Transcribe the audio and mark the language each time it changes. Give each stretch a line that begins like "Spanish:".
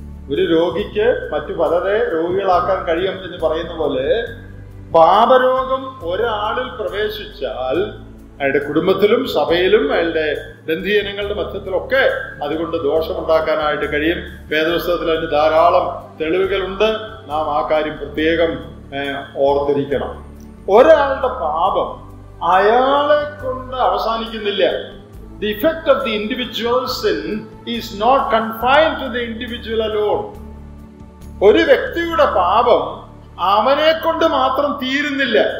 Malayalam: ഒരു രോഗിക്ക് മറ്റു പലരെ രോഗികളാക്കാൻ കഴിയും എന്ന് പറയുന്ന പോലെ പാപരോഗം ഒരാളിൽ പ്രവേശിച്ചാൽ അയാളുടെ കുടുംബത്തിലും സഭയിലും അയാളുടെ ബന്ധുജനങ്ങളുടെ മധ്യത്തിലൊക്കെ അതുകൊണ്ട് ദോഷമുണ്ടാക്കാനായിട്ട് കഴിയും. വേദപുസ്തകത്തിൽ അതിന് ധാരാളം തെളിവുകളുണ്ട്. നാം ആ കാര്യം പ്രത്യേകം ഓർത്തിരിക്കണം. ഒരാളുടെ പാപം അയാളെ കൊണ്ട് അവസാനിക്കുന്നില്ല.
English: The effect of the individual sin is not confined to the individual alone.
Malayalam: ഒരു വ്യക്തിയുടെ പാപം അവനെ കൊണ്ട് മാത്രം തീരുന്നില്ല.